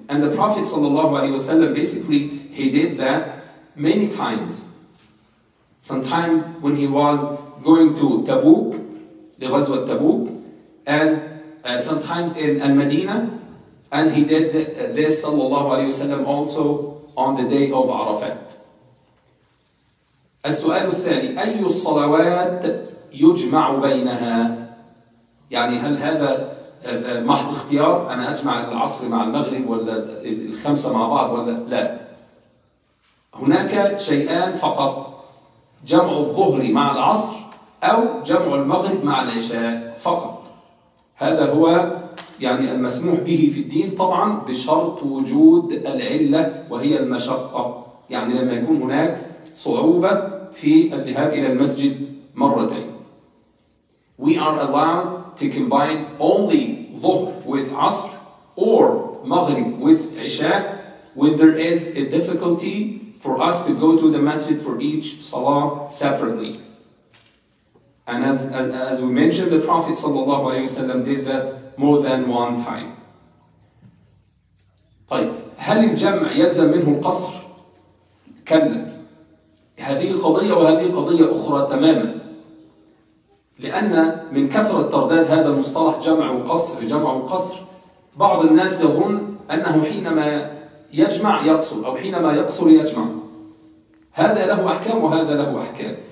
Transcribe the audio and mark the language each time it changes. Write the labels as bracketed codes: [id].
[en] And the Prophet sallallahu alayhi wa sallam, basically he did that many times. Sometimes when he was going to Tabuk, the Ghazwa Tabuk, and sometimes in Al-Madinah, and he did this sallallahu alayhi wa sallam also on the day of Arafat. [ar] السؤال الثاني، أي الصلوات يجمع بينها؟ يعني هل هذا محض اختيار؟ أنا أجمع العصر مع المغرب ولا الخمسة مع بعض ولا لا؟ هناك شيئان فقط، جمع الظهر مع العصر أو جمع المغرب مع العشاء فقط. هذا هو يعني المسموح به في الدين، طبعا بشرط وجود العلة وهي المشقة، يعني لما يكون هناك صعوبة في الذهاب إلى المسجد مرتين. [en] We are allowed to combine only ظهر with عصر or مغرب with عشاء when there is a difficulty for us to go to the masjid for each salah separately. And as we mentioned, the Prophet ﷺ did that more than one time. [ar] طيب هل الجمع يلزم منه القصر؟ كلا، هذه قضية وهذه قضية أخرى تماما، لأن من كثرة ترداد هذا المصطلح جمع القصر جمع القصر، بعض الناس يظن أنه حينما يجمع يقصر أو حينما يقصر يجمع، هذا له أحكام وهذا له أحكام.